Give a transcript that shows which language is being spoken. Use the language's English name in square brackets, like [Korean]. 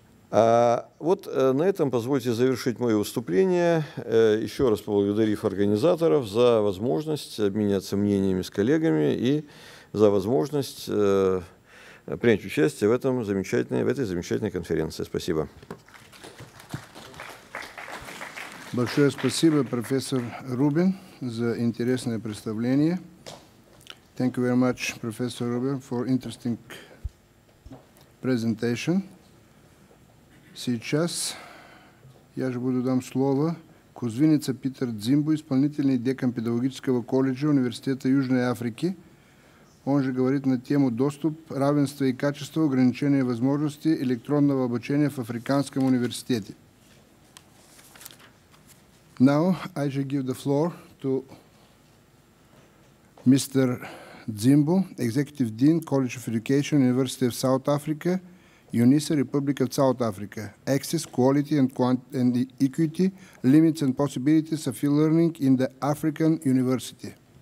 [Russian] Вот на этом позвольте завершить мое выступление, еще раз поблагодарив организаторов за возможность обменяться мнениями с коллегами и за возможность принять участие в этой замечательной конференции. Спасибо. Большое спасибо, профессор Рубин, за интересное представление. [English] Thank you very much, Professor Rubin, for interesting presentation. [Russian] Сейчас я же буду дам слово Кузвиница Питер Дзимбу, исполнительный декан педагогического колледжа Университета Южной Африки. Он же говорит на тему «Доступ, равенство и качество, ограничения и возможности электронного обучения в Африканском университете». [English] Now I shall give the floor to Mr. Dzimbu, Executive Dean, College of Education, University of South Africa, UNISA, Republic of South Africa, Access, Quality and Equity, Limits and Possibilities of E-Learning in the African University.